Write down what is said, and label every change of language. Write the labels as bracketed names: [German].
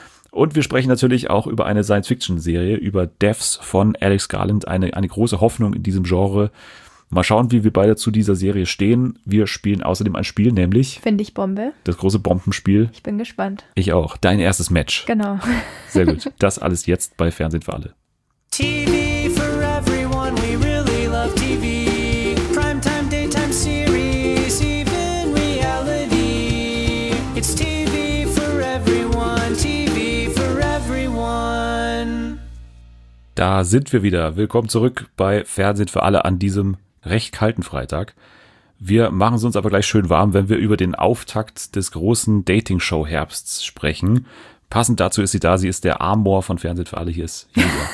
[German] Und wir sprechen natürlich auch über eine Science-Fiction-Serie, über Devs von Alex Garland, eine große Hoffnung in diesem Genre. Mal schauen, wie wir beide zu dieser Serie stehen. Wir spielen außerdem ein Spiel, nämlich... Finde ich Bombe. Das große Bombenspiel. Ich bin gespannt. Ich auch. Dein erstes Match. Genau. Sehr gut. Das alles jetzt bei Fernsehen für alle. [English] TV for everyone, we really love TV. Primetime, daytime series, even reality. It's TV for everyone, TV for everyone. [German] Da sind wir wieder. Willkommen zurück bei Fernsehen für alle an diesem... recht kalten Freitag. Wir machen es uns aber gleich schön warm, wenn wir über den Auftakt des großen Dating-Show-Herbsts sprechen. Passend dazu ist sie da, sie ist der Amor von Fernsehen für alle, hier ist Julia.